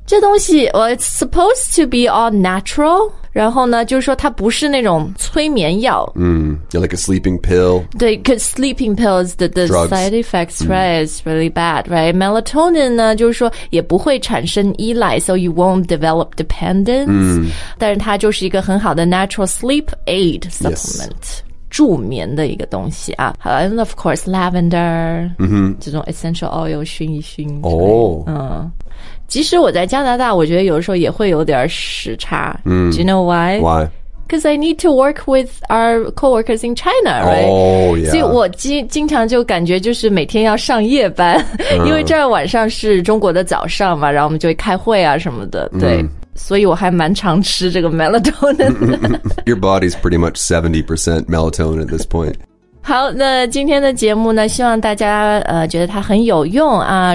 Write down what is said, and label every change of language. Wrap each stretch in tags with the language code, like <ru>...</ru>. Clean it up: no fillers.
<zh>这东西</zh> <en>well, it's supposed to be all natural,</en> <zh>然后呢就是说它不是那种催眠药。</zh> <en>Like a sleeping pill. 对 because sleeping pills, the side effects, right, is really bad, right?</en> <zh>Melatonin 呢就是说也不会产生依赖</zh> <en>so you won't develop dependence.</en> <zh>但是它就是一个很好的</zh> <en>natural sleep aid supplement.、 Yes.</en> <zh>助眠的一个东西啊</zh> <en>and of course lavender、 mm-hmm.</en> <zh>这种 essential oil 熏一熏、 oh. 即使我在加拿大我觉得有的时候也会有点时差、 mm.</zh> <en>Do you know why? Why? Because I need to work with our co-workers in China, right? Oh, yeah.</en> <zh>所以我经常就感觉就是每天要上夜班、因为这儿晚上是中国的早上嘛然后我们就会开会啊什么的对、mm. 所以我还蛮常吃这个 melatonin</zh> <en>的 Your body's pretty much 70% melatonin at this point</en> <zh>好那今天的节目呢希望大家、觉得它很有用啊。</zh>